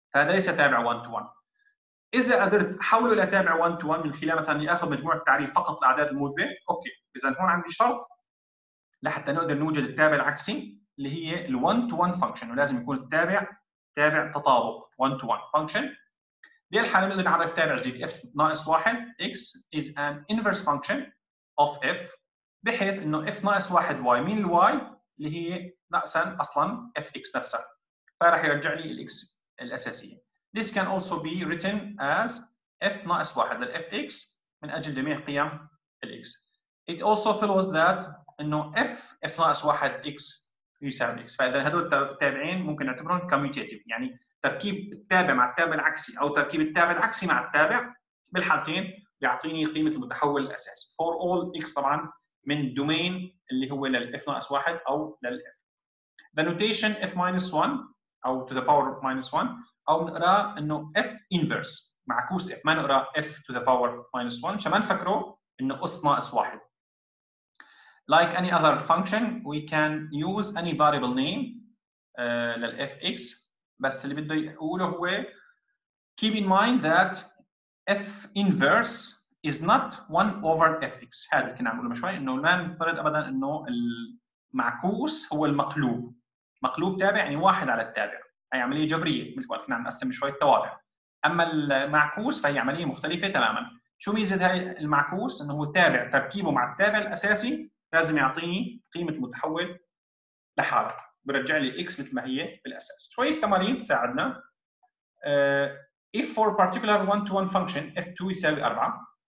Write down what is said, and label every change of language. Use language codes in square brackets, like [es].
[ar] فهذا ليس تابع one-to-one. إذا قدرت أحوله لتابع 1 تو 1 من خلال مثلا آخذ مجموعة تعريف فقط الأعداد الموجبة، أوكي، إذا هون عندي شرط لحتى نقدر نوجد التابع العكسي اللي هي الـ 1 تو 1 فانكشن، ولازم يكون التابع تابع تطابق 1 تو 1 فانكشن. بهالحالة بنقدر نعرف تابع جديد f ناقص 1 x [en] is an inverse function of f، [ar] بحيث إنه f ناقص 1 y مين الـ y اللي هي ناقصا أصلا f x نفسها، فراح يرجع لي الـ x الأساسية. [en] This can also be written as f minus 1 the fx [ar] من اجل جميع قيم الx. [en] It also follows that [ar] انه [en] f minus 1 x [ar] يساوي [en] x. [ar] فاذا هذول التابعين ممكن نعتبرهم commutative، يعني تركيب التابع مع التابع العكسي او تركيب التابع العكسي مع التابع بالحالتين بيعطيني قيمه المتحول الاساسي [en] for all x [ar] طبعا من domain اللي هو لل f minus 1 او لل f. [en] The notation f minus 1 [ar] او [en] to the power of minus 1 [ar] أو نقرا إنه f inverse معكوس f، ما نقرا [en] f to the power minus 1 [ar] عشان ما نفكره إنه أس ناقص 1. [en] Like any other function we can use any variable name لل fx، [ar] بس اللي بده يقوله هو [en] keep in mind that f inverse is not 1 over fx. [ar] هذا اللي كنا عم نقوله من شوي، إنه ما نفترض أبدا إنه المعكوس هو المقلوب. مقلوب تابع يعني واحد على التابع، هي عملية جبرية مثل ما كنا عم نقسم شوية توابع. أما المعكوس فهي عملية مختلفة تماما. شو ميزة هاي المعكوس؟ إنه هو تابع تركيبه مع التابع الأساسي لازم يعطيني قيمة المتحول لحاله، برجع لي x مثل ما هي بالأساس. شوية تمارين ساعدنا. [en] If for particular one-to-one function f2 [ar] يساوي [en] 4